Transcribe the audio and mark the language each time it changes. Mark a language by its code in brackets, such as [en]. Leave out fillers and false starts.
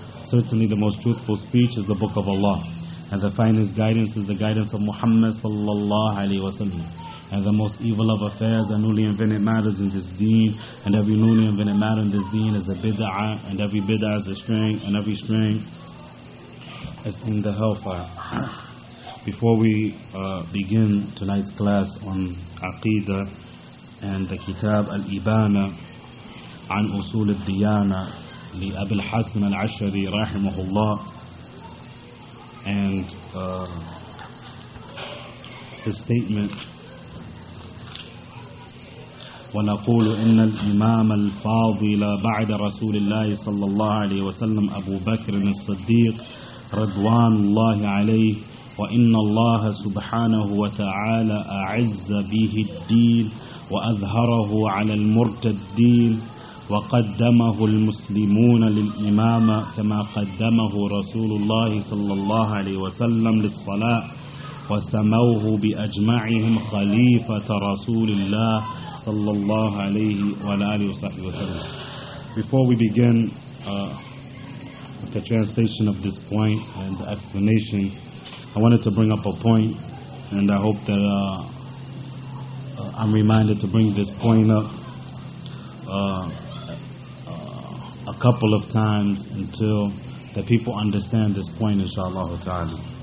[en] Certainly the most truthful speech is the book of Allah, and the finest guidance is the guidance of Muhammad sallallahu alaihi wasallam, and the most evil of affairs are newly invented matters in this deen, and every newly invented matter in this deen is a bid'ah, and every bid'ah is a string, and every string is in the hellfire. Before we begin tonight's class on Aqidah and the Kitab al-Ibana an Usul al-Diyana [ar] لأبي الحسن العشري رحمه الله [en] and his statement [ar] ونقول إن الإمام الفاضل بعد رسول الله صلى الله عليه وسلم أبو بكر الصديق رضوان الله عليه وإن الله سبحانه وتعالى أعز به الدين وأظهره على المرتدين وقدمه المسلمون للإمامة كما قدمه رسول الله صلى الله عليه وسلم للصلاة وسموه بأجمعهم خليفة رسول الله صلى الله عليه وآله وصحبه وسلم. [en] Before we begin with the translation of this point and the explanation, I wanted to bring up a point, and I hope that I'm reminded to bring this point up a couple of times until the people understand this point, inshallah ta'ala.